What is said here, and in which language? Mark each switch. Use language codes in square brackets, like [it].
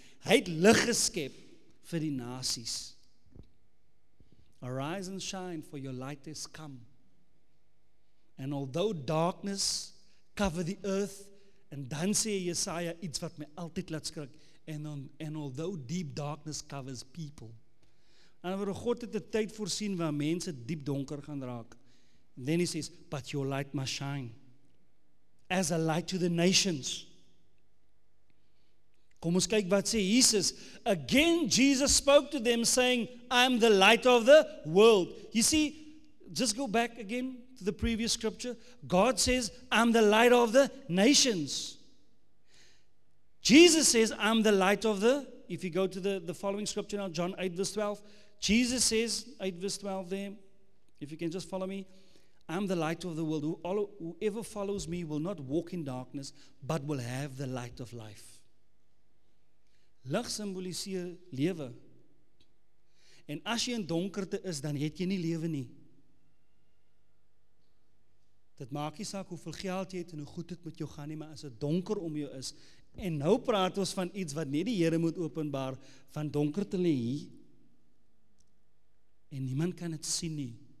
[af] Hy het lig geskep vir die nasies. [en] Arise and shine, for your light has come. And although darkness cover the earth, [af] en dan sê Jesaja iets wat my altyd laat skrik, [en] and although deep darkness covers people. [af] En waar God het die tyd voorsien waar mense diep donker gaan raak, [en] and then he says, but your light must shine as a light to the nations. [af] Kom ons kyk wat sê Jesus. [en] Again Jesus spoke to them saying, I am the light of the world. You see, just go back again to the previous scripture. God says, I'm the light of the nations. Jesus says, I'm the light of the, if you go to the following scripture now, John 8 verse 12, Jesus says, 8 verse 12 there, if you can just follow me, I'm the light of the world. Whoever follows me will not walk in darkness, but will have the light of life. [af] Lig symboliseer lewe. En as jy in donkerte is, dan het jy nie lewe nie. Dit maak nie saak hoeveel geld jy het en hoe goed dit met jou gaan nie, maar as het donker om jou is, en nou praat ons van iets wat net die Here moet openbaar, van donker te lê hier, en niemand kan het sien nie.